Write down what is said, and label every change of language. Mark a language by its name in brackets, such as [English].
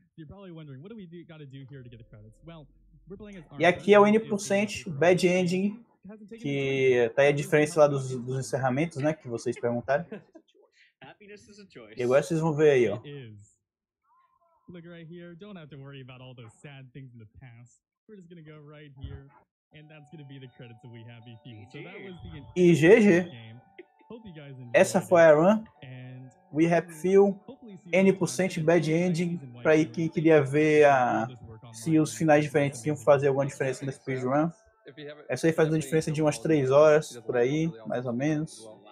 [English] You're probably wondering, what do we got to do here to get the credits? Well, we're playing as [Portuguese] E aqui é o N% Bad Ending, que tá aí a diferença lá dos encerramentos, né, que vocês perguntaram. [English] Happiness is a choice. [Portuguese] E agora vocês vão ver aí, ó. [English] Look right here, don't have to worry about all those sad things in the past. We're just going to go right here, and that's going to be the credits that we have here. So that was the GG. [Portuguese] Essa foi a run, We Happy Few, N% Bad Ending, pra aí quem queria ver se os finais diferentes iam fazer alguma diferença na speedrun. Essa aí faz uma diferença de umas 3 horas, por aí, mais ou menos.